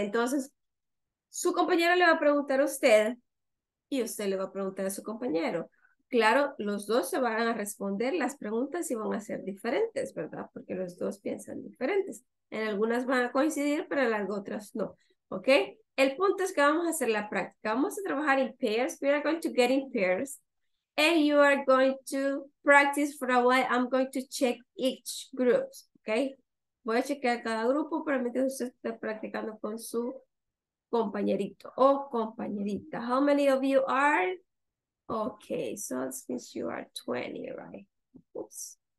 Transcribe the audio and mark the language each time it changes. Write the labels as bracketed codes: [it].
[es] Entonces, su compañero le va a preguntar a usted y usted le va a preguntar a su compañero. Claro, los dos se van a responder las preguntas y van a ser diferentes, ¿verdad? Porque los dos piensan diferentes. En algunas van a coincidir, pero en otras no. ¿Ok? El punto es que vamos a hacer la práctica. Vamos a trabajar en pairs. [en] We are going to get in pairs. And you are going to practice for a while. I'm going to check each group. ¿Ok? [es] Voy a chequear cada grupo para mientras usted esté practicando con su compañerito o compañerita. [en] How many of you are? Okay, so since you are 20, right? Oops.